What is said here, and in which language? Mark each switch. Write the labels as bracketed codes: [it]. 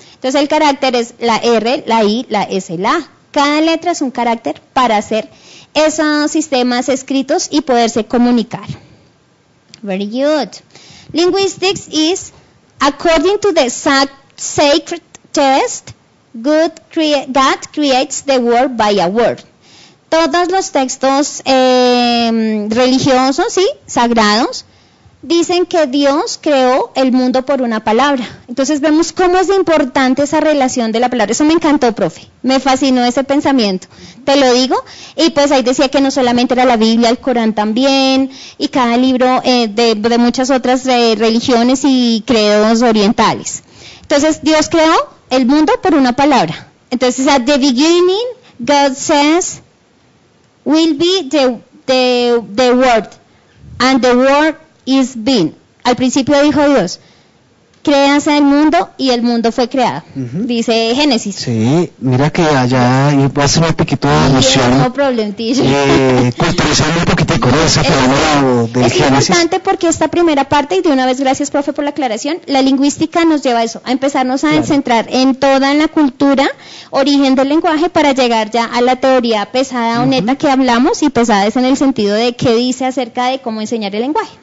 [es] Entonces, el carácter es la R, la I, la S, la A. Cada letra es un carácter para hacer esos sistemas escritos y poderse comunicar. [en] Very good. Linguistics is, according to the sacred text, God creates the world by a word. [es] Todos los textos religiosos, sagrados, dicen que Dios creó el mundo por una palabra. Entonces vemos cómo es importante esa relación de la palabra. Eso me encantó, profe. Me fascinó ese pensamiento. Te lo digo. Y pues ahí decía que no solamente era la Biblia, el Corán también, y cada libro de muchas otras religiones y credos orientales. Entonces, Dios creó el mundo por una palabra. [en] Entonces, at the beginning, God says, will be the word, and the word is been. [es] Al principio dijo Dios, créase el mundo y el mundo fue creado. Uh-huh. Dice Génesis. Sí, mira que allá va a ser un poquito de alusión. No, problemitillo. Culturizando un poquitico, ¿no? Ese fenómeno del Génesis. Es importante porque esta primera parte, y de una vez gracias, profe, por la aclaración, la lingüística nos lleva a eso, a empezarnos a centrar en toda la cultura, origen del lenguaje, para llegar ya a la teoría pesada o neta que hablamos, y pesada es en el sentido de qué dice acerca de cómo enseñar el lenguaje.